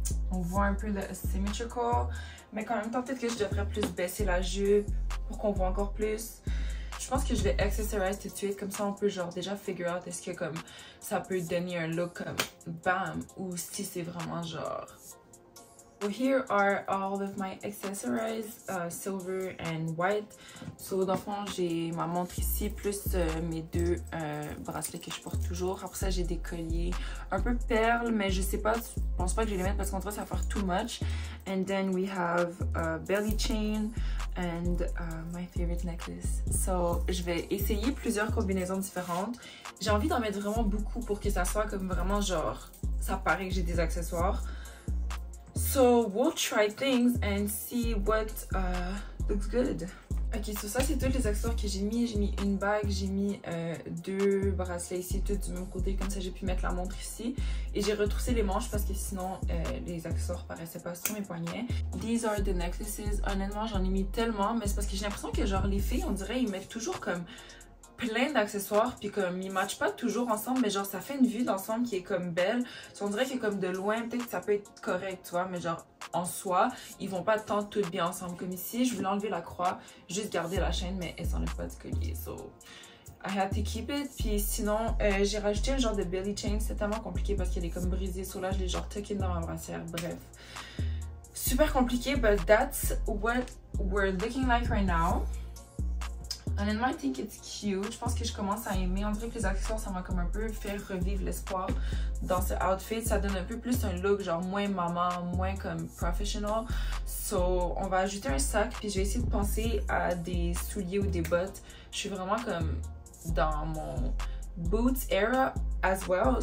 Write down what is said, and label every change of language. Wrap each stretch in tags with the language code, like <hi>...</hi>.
<fr>On voit un peu le symmetrical. Mais en même temps, peut-être que je devrais plus baisser la jupe pour qu'on voit encore plus. je pense que je vais accessorize tout de suite, comme ça on peut genre déjà</fr> <en>figure out</en> <fr>est-ce que comme ça peut donner un look comme bam ou si c'est vraiment genre.</fr> <en>So here are all of my accessories, silver and white.</en> <fr>So dans le fond, j'ai ma montre ici, plus mes deux bracelets que je porte toujours. Après ça, j'ai des colliers un peu perles, mais je sais pas, je pense pas que je vais les mettre parce qu'on dirait que ça va faire</fr> <en>too much. And then we have a belly chain and my favorite necklace.</en> <fr>So je vais essayer plusieurs combinaisons différentes. J'ai envie d'en mettre vraiment beaucoup pour que ça soit comme vraiment genre, ça paraît que j'ai des accessoires.</fr> <en>So we'll try things and see what looks good.</en> <fr>Ok, so ça c'est tous les accessoires que j'ai mis. J'ai mis une bague, j'ai mis deux bracelets ici, tous du même côté. Comme ça j'ai pu mettre la montre ici. Et j'ai retroussé les manches parce que sinon les accessoires paraissaient pas sur mes poignets.</fr> <en>These are the necklaces.</en> <fr>Honnêtement j'en ai mis tellement, mais c'est parce que j'ai l'impression que genre les filles, on dirait ils mettent toujours comme plein d'accessoires, puis comme ils matchent pas toujours ensemble, mais genre ça fait une vue d'ensemble qui est comme belle. Si on dirait que comme de loin, peut-être que ça peut être correct, tu vois, mais genre en soi, ils vont pas tant tout bien ensemble. Comme ici, je voulais enlever la croix, juste garder la chaîne, mais elle s'enlève pas du collier,</fr> <en>so I had to keep it.</en> <fr>Puis sinon, j'ai rajouté un genre de belly chain, c'est tellement compliqué parce qu'elle est comme brisée, so là je l'ai genre</fr> <en>tucked in</en> <fr>dans ma brassière, bref. Super compliqué,</fr> <en>but that's what we're looking like right now.</en> <fr>Honnêtement,</fr> <en>I think it's cute.</en> <fr>Je pense que je commence à aimer. En vrai, les accessoires, ça m'a comme un peu fait revivre l'espoir dans ce outfit. Ça donne un peu plus un look genre moins maman, moins comme professional. So, on va ajouter un sac. Puis, j'ai essayé de penser à des souliers ou des bottes. Je suis vraiment comme dans mon boots era</fr> <en>as well.</en>